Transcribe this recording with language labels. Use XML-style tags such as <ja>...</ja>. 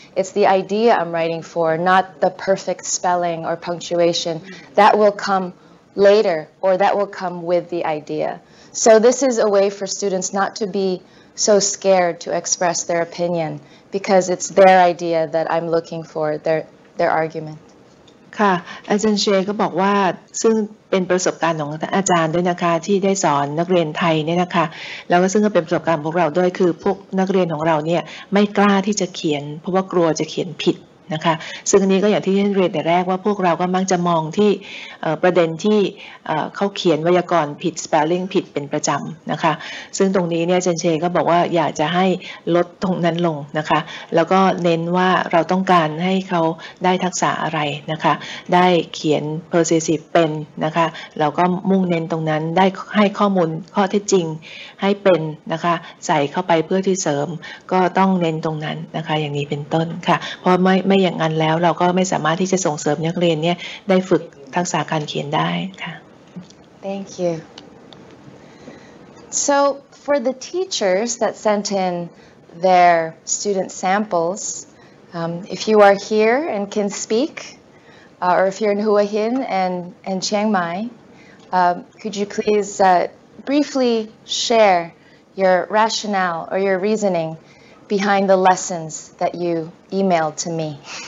<en>It's the idea I'm writing for, not the perfect spelling or punctuation. That will come later, or that will come with the idea. So this is a way for students not to be so scared to express their opinion, because it's their idea that I'm looking for, their argument.</en> <th>ค่ะอาจารย์เชก็บอกว่าซึ่งเป็นประสบการณ์ของอาจารย์ด้วยนะคะที่ได้สอนนักเรียนไทยเนี่ยนะคะแล้วก็ซึ่งก็เป็นประสบการณ์ของเราด้วยคือพวกนักเรียนของเราเนี่ยไม่กล้าที่จะเขียนเพราะว่ากลัวจะเขียนผิดนะคะซึ่งอันนี้ก็อย่างที่ท่านเรียนแต่แรกว่าพวกเราก็มักจะมองที่ประเด็นที่ เขาเขียนไวยากรณ์ผิด spelling ผิดเป็นประจำนะคะซึ่งตรงนี้เนี่ยเจนเชก็บอกว่าอยากจะให้ลดตรงนั้นลงนะคะแล้วก็เน้นว่าเราต้องการให้เขาได้ทักษะอะไรนะคะได้เขียน possessive เป็นนะคะเราก็มุ่งเน้นตรงนั้นได้ให้ข้อมูลข้อเท็จจริงให้เป็นนะคะใส่เข้าไปเพื่อที่เสริมก็ต้องเน้นตรงนั้นนะคะอย่างนี้เป็นต้นค่ะเพราะไม่อย่างนั้นแล้วเราก็ไม่สามารถที่จะส่งเสริมนักเรียนเนี่ยได้ฝึกทักษะการเขียนได้ค่ะ</th> <en>Thank you. So for the teachers that sent in their student samples, if you are here and can speak, or if you're in Hua Hin and Chiang Mai, could you please briefly share your rationale or your reasoning behind the lessons that you emailed to me?</en>